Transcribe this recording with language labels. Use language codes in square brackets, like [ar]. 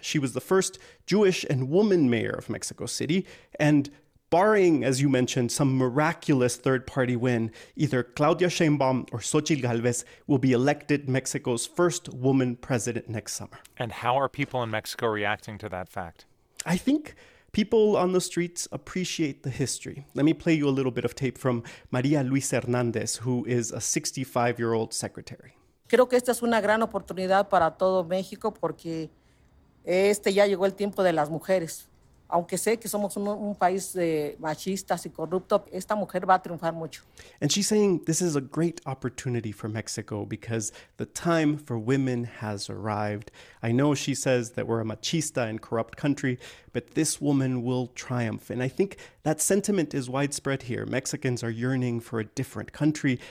[en] She was the first Jewish and woman mayor of Mexico City, and barring, as you mentioned, some miraculous third-party win, either Claudia Sheinbaum or Xochitl Galvez will be elected Mexico's first woman president next summer. And how are people in Mexico reacting to that fact? I think people on the streets appreciate the history. Let me play you a little bit of tape from Maria Luisa Hernandez, who is a 65-year-old secretary. [es] Creo que esta es una gran oportunidad para todo México porque ya llegó el tiempo de las mujeres. Aunque sé que somos un país machista y corrupto, esta mujer va a triunfar mucho. [en] And she's saying this is a great opportunity for Mexico because the time for women has arrived. I know she says that we're a machista and corrupt country, but this woman will triumph. And I think that sentiment is widespread here. Mexicans are yearning for a different country.